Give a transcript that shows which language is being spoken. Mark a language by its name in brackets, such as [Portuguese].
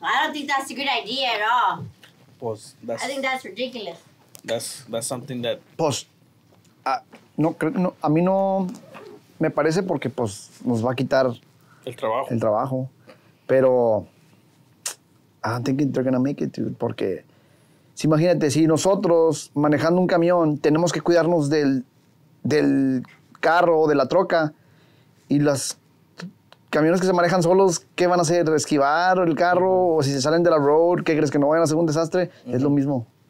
[English] Well, I don't think that's a good idea at all. [Spanish] Pues, [English] I think that's ridiculous. That's something that... [Spanish] Pues, a mí no me parece porque pues nos va a quitar... El trabajo. [English] Pero I don't think they're gonna make it, dude, porque... [Spanish] Si imagínate, si nosotros manejando un camión tenemos que cuidarnos del carro o de la troca... Y los camiones que se manejan solos, ¿qué van a hacer? ¿Esquivar el carro? Uh-huh. O si se salen de la road, ¿qué crees que no vayan a hacer un desastre? Uh-huh. Es lo mismo.